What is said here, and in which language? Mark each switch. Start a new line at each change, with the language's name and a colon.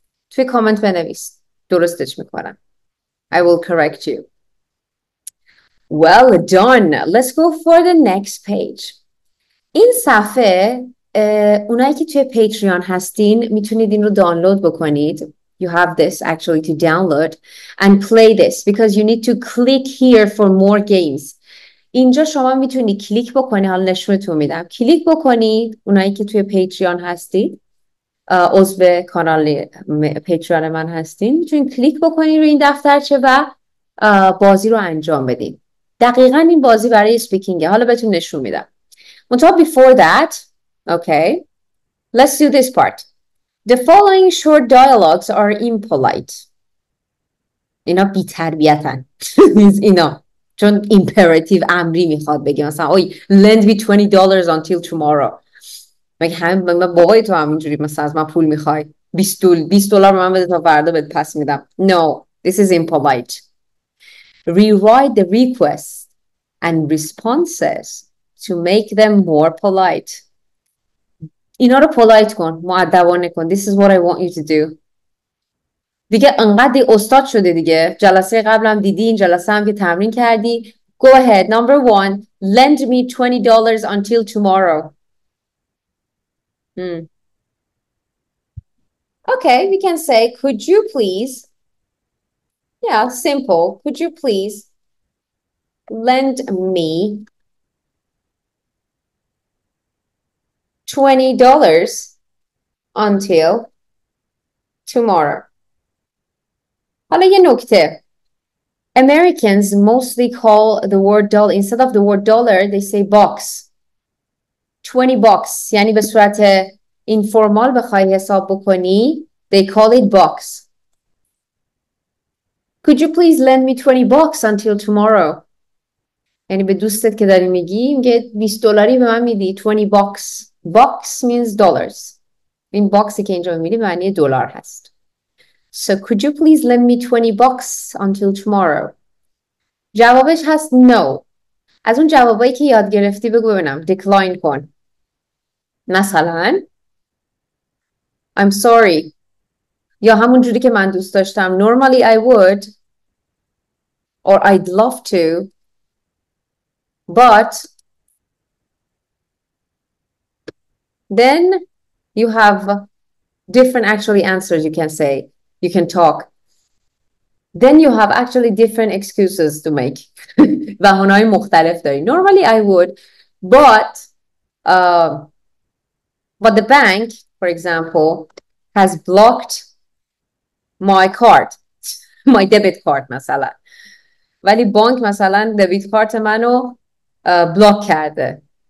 Persian: توی کامنت بنویس. درستش میکنم.
English: I will correct you. Well done. Let's go for the next page.
Persian: این صفحه اونایی که توی پیتریون هستین میتونید این رو دانلود بکنید.
English: You have this actually to download and play this because you need to click here for more games.
Persian: اینجا شما میتونی کلیک بکنی، حالا نشونتون میدم. کلیک بکنی اونایی که توی پیتریون هستید، عضو کانال پیتریون من هستین، میتونی کلیک بکنی روی این دفترچه و بازی رو انجام بدین. دقیقا این بازی برای سپیکینگه، حالا بهتون نشون میدم. منتها
English: before that, okay, let's do this part. The following short dialogues are impolite.
Persian: اینا بی تربیتن. اینا چون imperative امری میخواد بگه مثلا اوی
English: lend me $20 until tomorrow.
Persian: مگه همه بابای تو همینجوری مثلا از من پول میخوای 20 دلار من بده تا فردا بهت پس میدم.
English: No, this is impolite. Rewrite the requests and responses to make them more polite.
Persian: اینا رو پولایت کن. مؤدبانه کن.
English: This is what I want you to do.
Persian: دیگه انقدر استاد شده دیگه. جلسه قبلم دیدی. این جلسه هم که تمرین کردی.
English: Go ahead. Number one. Lend me $20 until tomorrow. Okay. We can say, could you please. Yeah, simple. Could you please lend me $20 until tomorrow.
Persian: حالا یه نکته.
English: Americans mostly call the word dollar, instead of the word dollar, they say box. 20 bucks.
Persian: یعنی به صورت informal بخوای حساب بکنی,
English: they call it box. Could you please lend me 20 bucks until tomorrow?
Persian: یعنی به دوستت که داری میگی, میگه 20 دلاری به من میدی, 20 bucks.
English: Box means dollars.
Persian: این باکسی که اینجا میدی به معنی دلار هست.
English: So could you please lend me 20 bucks until tomorrow?
Persian: جوابش هست no. از اون جوابایی که یاد گرفتی بگو ببینم. Decline کن. مثلا
English: I'm sorry.
Persian: یا همون جوری که من دوست داشتم.
English: Normally I would or I'd love to but then you have different actually answers you can say. You can talk. Then you have actually different excuses to make.
Persian: بهانه‌های مختلف داری.
English: Normally I would, but the bank, for example, has blocked my card, my debit card, مثلا.
Persian: ولی بانک مثلا debit card منو block کرده.